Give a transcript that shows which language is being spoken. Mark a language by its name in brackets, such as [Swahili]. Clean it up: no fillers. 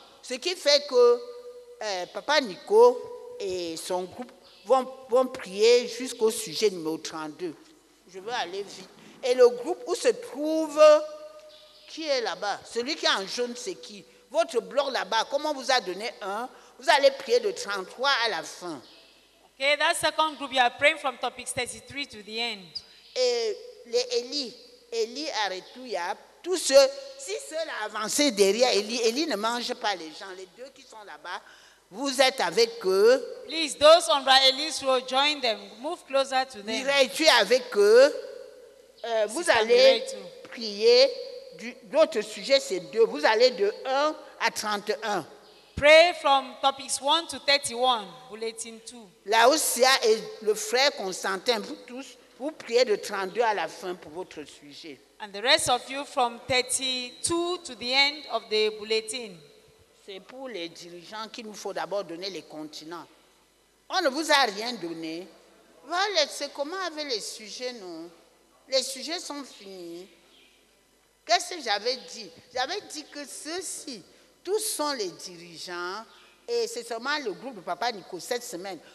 [French] Ce qui fait que papa Nico et son groupe vont prier jusqu'au sujet numéro 32. Je veux aller vite. Et le groupe où se trouve... Qui est là-bas? Celui qui est en jaune, c'est qui? Votre bloc là-bas, comment vous a donné un? Vous allez prier de 33 à la fin. [English] Ok, that second group, you are praying from topic 33 to the end. [French] Et les Eli, Aretouyab, tous ceux, si ceux là avancé derrière Eli ne mange pas les gens, les deux qui sont là-bas, vous êtes avec eux. [English] Please, those on by Eli's row, join them, move closer to them. [French] Mireille, tu es avec eux. Vous allez prier. L'autre sujet, c'est deux. Vous allez de 1 à 31. [English] Pray from topics 1 to 31, bulletin 2. [French] Laosia et le frère Constantin, vous tous, vous priez de 32 à la fin pour votre sujet. [English] And the rest of you from 32 to the end of the bulletin. [French] C'est pour les dirigeants qu'il nous faut d'abord donner les continents. On ne vous a rien donné. Voilà, c'est comment avec les sujets, non? Les sujets sont finis. Qu'est-ce que j'avais dit? J'avais dit que ceux-ci, tous sont les dirigeants et c'est seulement le groupe de Papa Nico cette semaine.